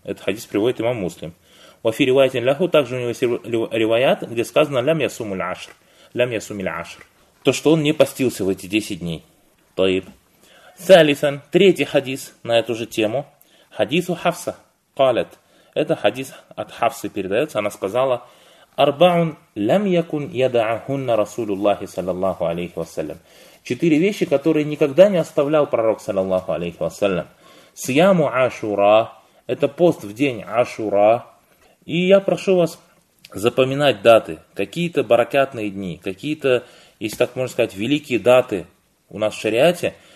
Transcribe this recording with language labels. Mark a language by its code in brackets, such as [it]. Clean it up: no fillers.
[ru] Этот хадис приводит имам Муслим. В эфире Вайтин Ляху также у него есть риваят, где сказано [ar] «Лям ясуму л'ашр». «Лям ясуми л'ашр». [ru] То, что он не постился в эти 10 дней. [ar] Таиб. Салисан. [ru] Третий хадис на эту же тему. [ar] Хадису Хафса. Калят. [ru] Это хадис от Хафсы передается. Она сказала [ar] أربع لم يكن يدعهن رسول الله صلى الله عليه وسلم. [ru] Четыре вещи, которые никогда не оставлял пророк, саллаллаху алейхи вассалям. [ar] Сияму Ашура, [ru] это пост в день Ашура. И я прошу вас запоминать даты, какие-то баракатные дни, какие-то, если так можно сказать, великие даты у нас в шариате.